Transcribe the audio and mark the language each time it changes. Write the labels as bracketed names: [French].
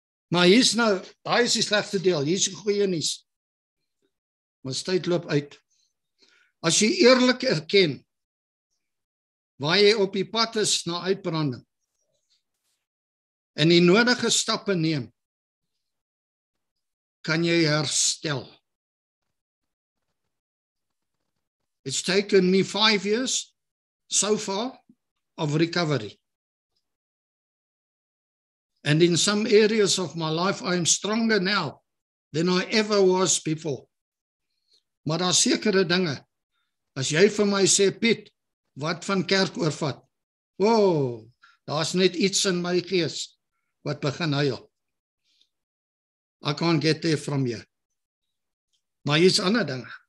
[Afrikaans] Maar hier is nou, daar is die slechte deel, hier is die goeie nuus. Maar tyd loop uit. As jy eerlik erken, waar jy op die pad is na uitbranding, en die nodige stappe neem, kan jy herstel. [English] It's taken me 5 years, so far, of recovery. And in some areas of my life, I am stronger now than I ever was before. [Afrikaans] Maar daar sekere dinge. As jy vir my sê, Piet, wat van kerk oorvat? Wow, daar is net iets in my gees wat begin huil. [English] I can't get there from you. [Afrikaans] Maar hier is ander dinge.